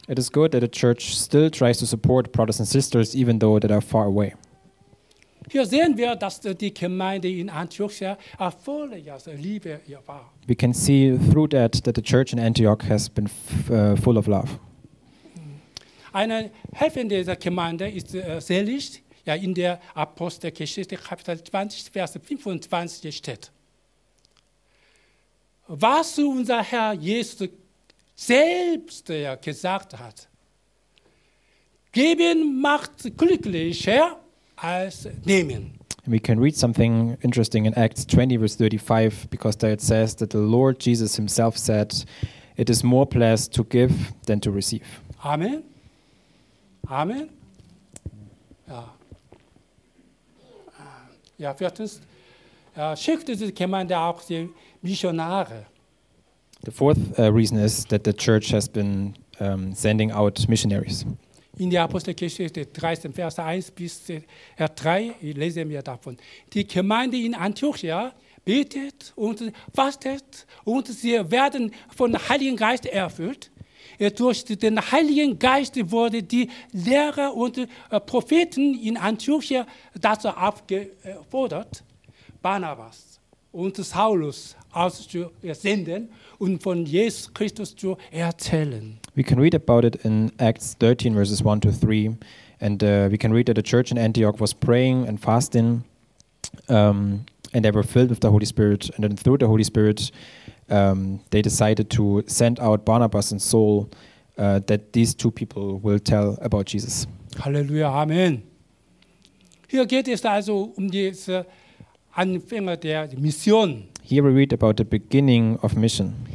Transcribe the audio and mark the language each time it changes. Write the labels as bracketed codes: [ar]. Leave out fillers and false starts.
[en] It is good that the church still tries to support brothers and sisters, even though they are far away. [de] Hier sehen wir, dass die Gemeinde in Antiochia voller Liebe war. [en] We can see through that the church in Antioch has been full of love. [de] Eine Hälfte dieser Gemeinde ist seelisch, ja, in der Apostelgeschichte, Kapitel 20, Vers 25 steht. Was unser Herr Jesus selbst gesagt hat, geben macht glücklicher als nehmen. [en] And we can read something interesting in Acts 20, verse 35, because there it says that the Lord Jesus himself said, it is more blessed to give than to receive. Amen. Amen. Ja. [de] Ja, viertens, schickt diese Gemeinde auch die Missionare. [en] The fourth reason is that the church has been sending out missionaries. [de] In der Apostelgeschichte 13, Vers 1 bis 3, lesen wir davon. Die Gemeinde in Antiochia betet und fastet und sie werden von Heiligen Geist erfüllt. Durch den Heiligen Geist wurden die Lehrer und Propheten in Antiochia dazu aufgefordert, Barnabas und Saulus auszusenden und von Jesus Christus zu erzählen. [en] We can read about it in Acts 13, verses 1 to 3. And we can read that the church in Antioch was praying and fasting, and they were filled with the Holy Spirit. And then through the Holy Spirit, they decided to send out Barnabas and Saul, that these two people will tell about Jesus. Halleluja, Amen. [de] Hier geht es also um diese Anfänger der Mission. [en] Here we read about the beginning of mission.